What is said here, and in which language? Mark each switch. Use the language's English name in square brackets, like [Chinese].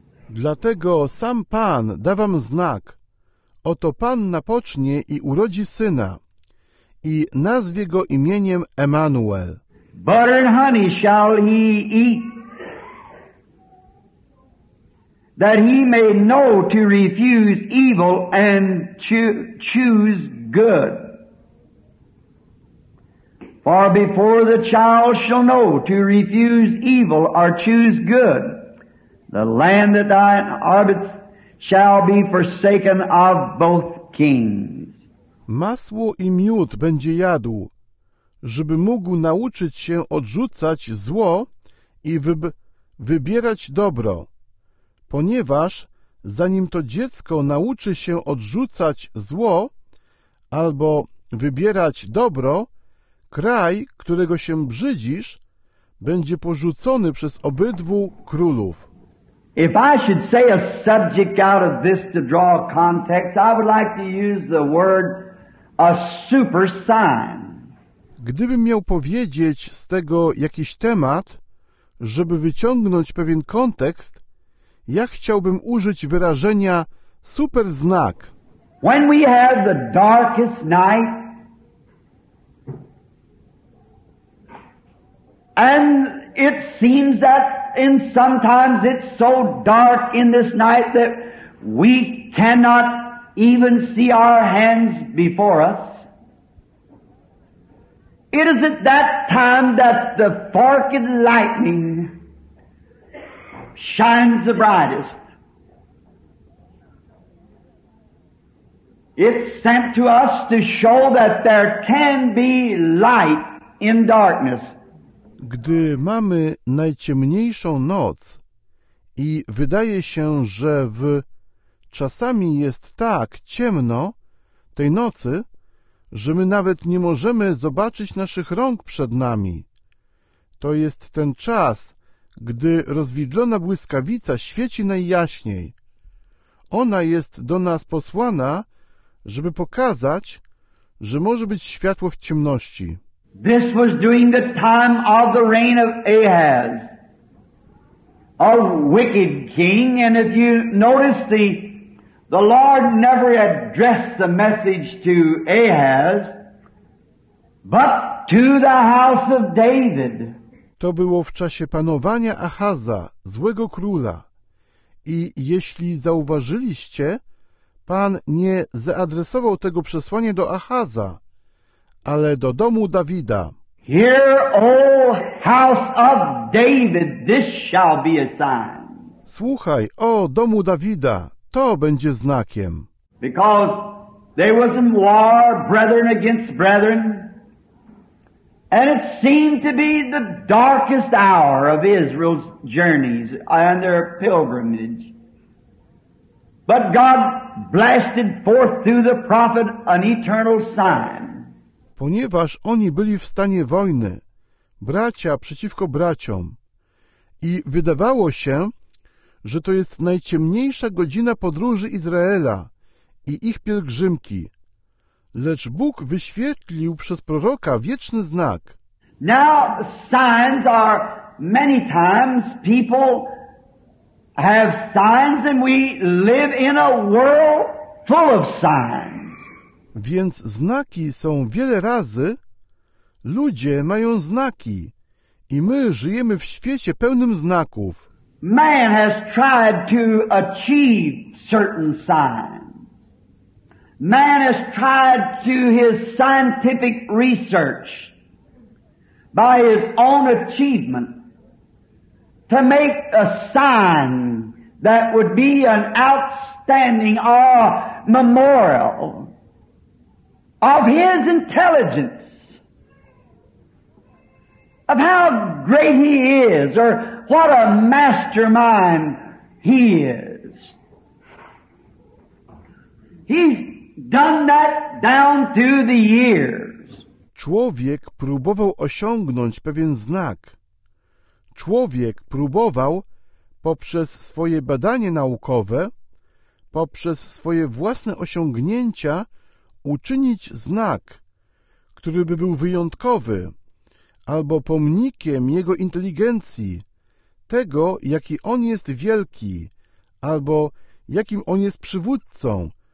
[Polish] Dlatego sam Pan da wam znak. Oto panna pocznie i urodzi syna, i nazwie go imieniem Emmanuel. [English] Butter and honey shall he eat, that he may know to refuse evil and choose good. For before the child shall know to refuse evil or choose good, the land that thou inhabitest shall be forsaken of both kings. [Polish] Masło i miód będzie jadł, żeby mógł nauczyć się odrzucać zło i wybierać dobro. Ponieważ zanim to dziecko nauczy się odrzucać zło albo wybierać dobro, kraj, którego się brzydzisz, będzie porzucony przez obydwu królów. [English] If I should say a subject out of this to draw a context, I would like to use the word a super sign. [Polish] Gdybym miał powiedzieć z tego jakiś temat, żeby wyciągnąć pewien kontekst, ja chciałbym użyć wyrażenia super znak. [English] When we have the darkest night, and it seems that in sometimes it's so dark in this night that we cannot even see our hands before us. It is at that time that the forked lightning shines the brightest. It's sent to us to show that there can be light in darkness. [Polish] Gdy mamy najciemniejszą noc i wydaje się, że czasami jest tak ciemno tej nocy, że my nawet nie możemy zobaczyć naszych rąk przed nami, to jest ten czas, gdy rozwidlona błyskawica świeci najjaśniej. Ona jest do nas posłana, żeby pokazać, że może być światło w ciemności. [English] This was during the time of the reign of Ahaz, a wicked king, and if you notice the Lord never addressed the message to Ahaz, but to the house of David. [Polish] To było w czasie panowania Ahaza, złego króla. I jeśli zauważyliście, Pan nie zaadresował tego przesłania do Achaza, ale do domu Dawida. [English] Hear, O house of David, this shall be a sign. [Polish] Słuchaj, o domu Dawida, to będzie znakiem. [English] Because there was a war, brethren against brethren, and it seemed to be the darkest hour of Israel's journeys and their pilgrimage. But God blasted forth through the prophet an eternal sign. [Polish] Ponieważ oni byli w stanie wojny, bracia przeciwko braciom, i wydawało się, że to jest najciemniejsza godzina podróży Izraela i ich pielgrzymki, lecz Bóg wyświetlił przez proroka wieczny znak. [English] Now signs are many times people have signs and we live in a world full of signs. [Polish] Więc znaki są wiele razy, ludzie mają znaki i my żyjemy w świecie pełnym znaków. [English] Man has tried to achieve certain signs. Man has tried to his scientific research by his own achievement to make a sign that would be an outstanding memorial. Of his intelligence, of how great he is, or what a mastermind he is. He's done that down through the years. [Polish] Człowiek próbował osiągnąć pewien znak. Człowiek próbował poprzez swoje badanie naukowe, poprzez swoje własne osiągnięcia uczynić znak, który by był wyjątkowy, albo pomnikiem jego inteligencji, tego, jaki on jest wielki, albo jakim on jest przywódcą.